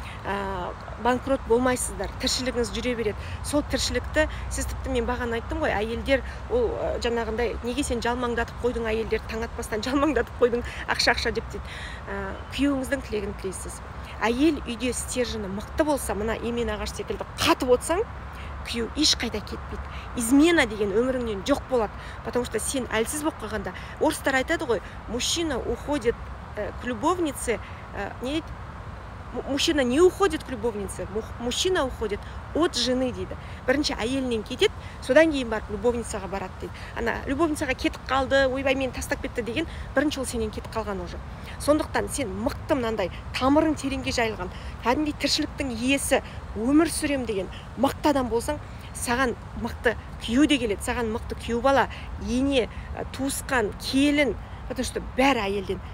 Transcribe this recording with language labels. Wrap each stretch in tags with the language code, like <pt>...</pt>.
<kk>банкрот болмайсыздар, тіршілігіңіз жүре береді. Сол тіршілікті, сіз тіпті мен баған айттым ғой, әйелдер ол жаңағындай, неге сен жалмаңдатып қойдың, әйелдер таң атпастан жалмаңдатып қойдың, ақша-ақша деп дейді. Күйеуіңіздің тілегін тілейсіз. Әйел үйде стержені мықты болса, мына емен ағаш секілді қатып отсаң, күйеу ешқайда кетпейді. Измена деген өміріңнен жоқ болады,</kk> <ru>потому что</ru> <kk>сен әлсіз болып қалғанда. Орыстар айтады ғой,</kk> <ru>мужчина уходит к любовнице, не мужчина не уходит к любовнице, мужчина уходит от жены</ru> <kk>дейді. Бірінші әйелінен кетеді, содан кейін барып любовницаға барады дейді. Ана любовницаға кетіп қалды, ойбай мен тастап кетті деген, бірінші ол сенен кетіп қалған</kk> <ru>уже.</ru> <kk>Сондықтан сен мықты, мынандай тамырың тереңге жайылған, кәдімгідей тіршіліктің иесі, өмір сүрем деген мықты адам болсаң, саған мықты күйеу де келеді, саған мықты күйеу бала, ене, туысқан, келін,</kk> <ru>потому что</ru> <kk>бәрі әйелден.</kk>